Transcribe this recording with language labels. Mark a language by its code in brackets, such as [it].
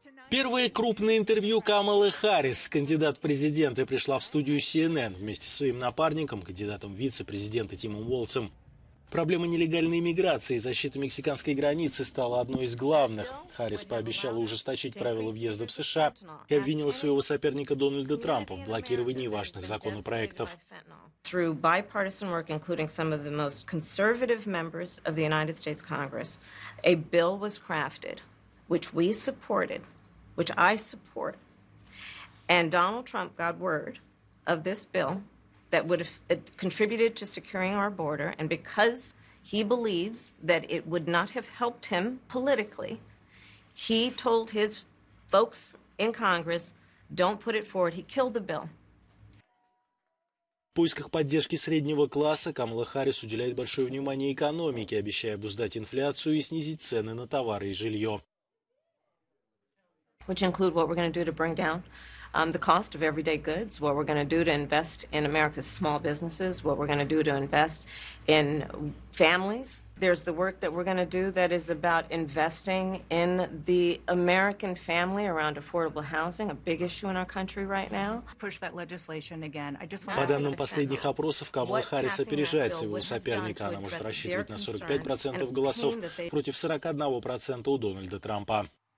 [ru] Первое крупное интервью Камалы Харрис, кандидат в президенты, пришла в студию CNN вместе со своим напарником, кандидатом в вице-президенты Тимом Уолтсом. Проблема нелегальной миграции и защиты мексиканской границы стала одной из главных. Харрис пообещала ужесточить правила въезда в США и обвинила своего соперника Дональда Трампа в блокировании важных законопроектов. [en] Through bipartisan work, including some of the most conservative members of the United States Congress, a bill was crafted, which we supported, which I support. And Donald Trump got word of this bill that would have contributed to securing our border. And because he believes that it would not have helped him politically, he told his folks in Congress, don't put it forward. He killed the bill. [ru] В поисках поддержки среднего класса Камала Харрис уделяет большое внимание экономике, обещая обуздать инфляцию и снизить цены на товары и жилье. [en] Which include what we're going to do to bring down the cost of everyday goods, what we're going to do to invest in America's small businesses, what we're going to do to invest in families. There's the work that we're going to do that is about investing in the American family around affordable housing, a big issue in our country right now. Push that legislation again. I just want to. [ru] По данным последних опросов, Камала Харрис опережает своего соперника. Она может рассчитывать на 45% голосов против 41% у Дональда Трампа.